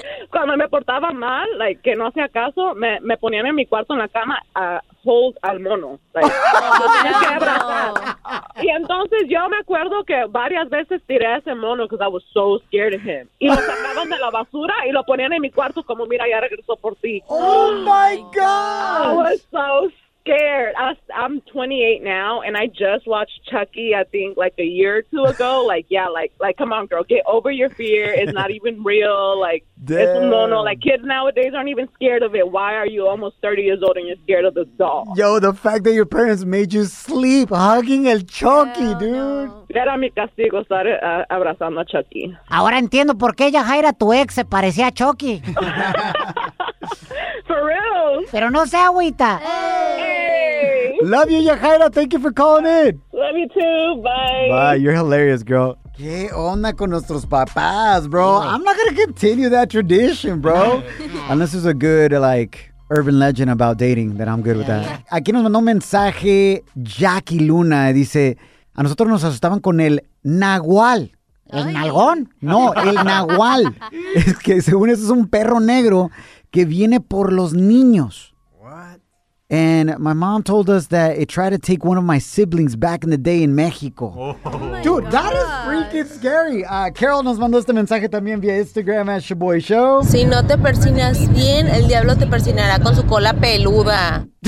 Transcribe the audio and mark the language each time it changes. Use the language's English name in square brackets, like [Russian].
[Spanish] Cuando me portaba mal, like, que no hacía caso, me ponían en mi cuarto en la cama a hold al mono. Like, lo tenía que abrazar. Y entonces yo me acuerdo que varias veces tiré a ese mono [English] because I was so scared of him. [Spanish] Y lo sacaban de la basura y lo ponían en mi cuarto como, mira, ya regresó por ti. [English] Oh my God! I was so scared. I'm 28 now, and I just watched Chucky, I think, like a year or two ago. Like, yeah, like, come on, girl. Get over your fear. It's not even real. Like, damn. It's mono. Like, kids nowadays aren't even scared of it. Why are you almost 30 years old and you're scared of the doll? Yo, the fact that your parents made you sleep hugging el Chucky, hell, dude. [Spanish] No. Era mi castigo estar abrazando a Chucky. Ahora entiendo por qué Yajaira, tu ex, se parecía a Chucky. [English] For real. [Spanish] Pero no sea agüita. [English] Love you, Yajaira. Thank you for calling in. Love you too. Bye. Bye. You're hilarious, girl. [Spanish] ¿Qué onda con nuestros papás, bro? [English] I'm not going to continue that tradition, bro. Unless there's a good, like, urban legend about dating, then I'm good with that. [Spanish] Aquí nos mandó un mensaje Jackie Luna. Dice, a nosotros nos asustaban con el Nahual. ¿El Nalgón? No, el Nahual. Es que según eso es un perro negro que viene por los niños. [English] And my mom told us that it tried to take one of my siblings back in the day in Mexico. Oh. Dude, that is freaking scary. [Spanish] Carol nos mandó este mensaje también vía Instagram at Shaboy Show. Si no te persinas bien, el diablo te persinará con su cola peluda.